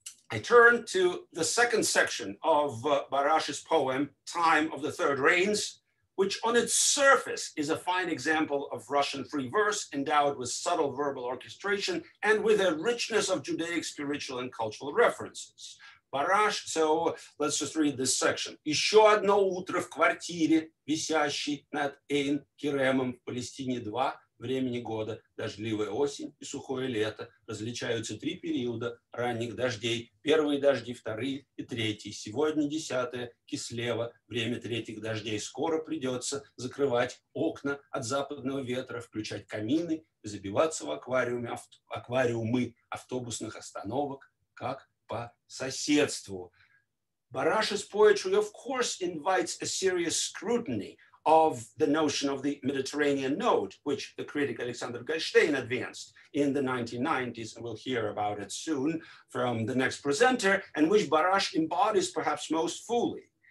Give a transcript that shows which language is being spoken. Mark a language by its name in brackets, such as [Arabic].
[English] I turn to the second section of Barash's poem, Time of the Third Rains, which on its surface is a fine example of Russian free verse endowed with subtle verbal orchestration and with a richness of Judaic spiritual and cultural references. Barash, so let's just read this section. [Russian] Еще одно утро в квартире, висящей над Эйн Керемом в Палестине 2, времени года, дождливая осень и сухое лето, различаются три периода ранних дождей, первые дожди, вторые и третьи. Сегодня 10-е, Кислева, время третьих дождей. Скоро придется закрывать окна от западного ветра, включать камины, забиваться в аквариуме, аквариумы автобусных остановок, как по соседству. [English] Barash's poetry, of course, invites a serious scrutiny of the notion of the Mediterranean note, which the critic Alexander Gallstein advanced in the 1990s, and we'll hear about it soon from the next presenter, and which Barash embodies perhaps most fully.